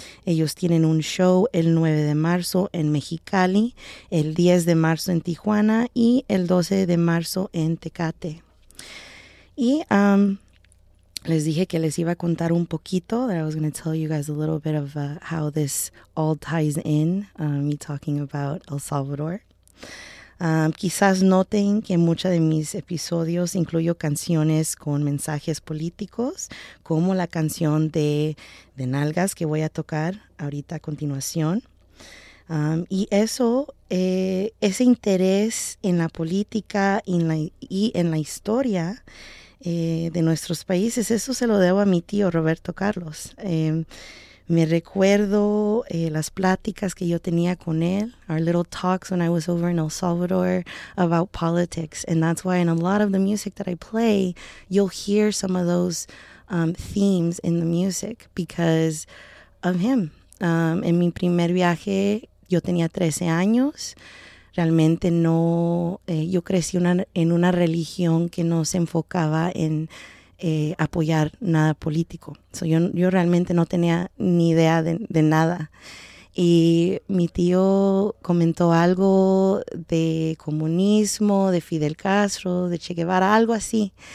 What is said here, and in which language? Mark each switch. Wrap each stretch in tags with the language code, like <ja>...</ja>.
<es>Ellos tienen un show el 9 de marzo en Mexicali, el 10 de marzo en Tijuana y el 12 de marzo en Tecate. Y les dije que les iba a contar un poquito,</es> <en>that I was going to tell you guys a little bit of how this all ties in, me talking about El Salvador.</en> <es>Quizás noten que muchos de mis episodios incluyo canciones con mensajes políticos, como la canción de Nalgas que voy a tocar ahorita a continuación. Y eso, ese interés en la política y en la historia de nuestros países, eso se lo debo a mi tío Roberto Carlos. Me recuerdo las pláticas que yo tenía con él,</es> <en>our little talks when I was over in El Salvador about politics, and that's why in a lot of the music that I play, you'll hear some of those themes in the music because of him.</en> <es>En mi primer viaje, yo tenía 13 años. Realmente no, yo crecí en una religión que no se enfocaba en apoyar nada político. So yo realmente no tenía ni idea de nada. Y mi tío comentó algo de comunismo, de Fidel Castro, de Che Guevara, algo así.</es>